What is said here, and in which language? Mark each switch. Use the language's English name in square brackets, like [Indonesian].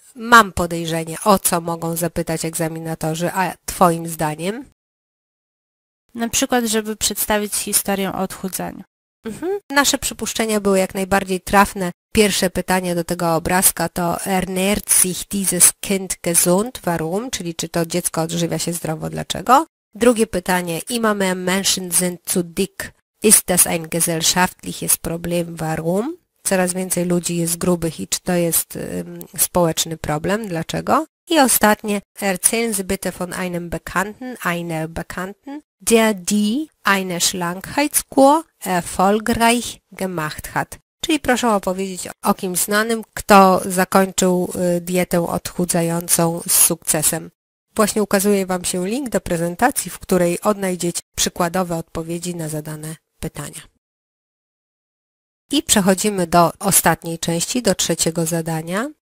[Polish] Mam podejrzenie, o co mogą zapytać egzaminatorzy, a twoim zdaniem? Na przykład, żeby przedstawić historię o odchudzaniu. Nasze przypuszczenia były jak najbardziej trafne. Pierwsze pytanie do tego obrazka to [German] ernährt sich dieses Kind gesund, warum, [Polish] czyli czy to dziecko odżywia się zdrowo, dlaczego? Drugie pytanie, [German] immer mehr Menschen sind zu dick, ist das ein gesellschaftliches Problem, warum? [Polish] Coraz więcej ludzi jest grubych i czy to jest społeczny problem, dlaczego? I ostatnie, [German] erzählen Sie bitte von einem Bekannten, einer Bekannten, der die eine Schlankheitskur erfolgreich gemacht hat. [Polish] Czyli proszę opowiedzieć o kimś znanym, kto zakończył dietę odchudzającą z sukcesem. Właśnie ukazuje Wam się link do prezentacji, w której odnajdziecie przykładowe odpowiedzi na zadane pytania. I przechodzimy do ostatniej części, do trzeciego zadania.